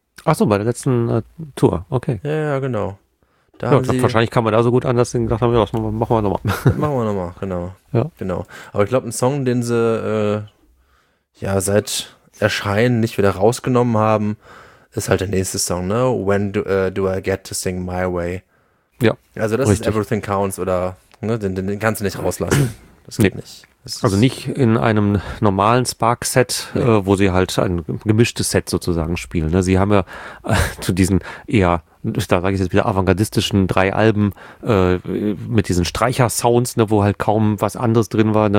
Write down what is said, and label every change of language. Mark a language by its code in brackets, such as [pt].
[de] Ach so, bei der letzten Tour, okay. Ja, genau. Wahrscheinlich kann man da so gut an, dass sie gedacht haben, ja, machen wir nochmal. Machen wir nochmal, genau. Ja. Genau. Aber ich glaube, ein Song, den sie seit Erscheinen nicht wieder rausgenommen haben, ist halt der nächste Song, ne? [en] When do I get to sing my way? [de] Ja. Also das ist Everything Counts oder ne, den kannst du nicht rauslassen. Das geht nicht. Also nicht in einem normalen Spark-Set, wo sie halt ein gemischtes Set sozusagen spielen. Ne? Sie haben ja zu diesen eher, da sage ich jetzt wieder, avantgardistischen drei Alben mit diesen Streicher-Sounds, ne, wo halt kaum was anderes drin war, ne?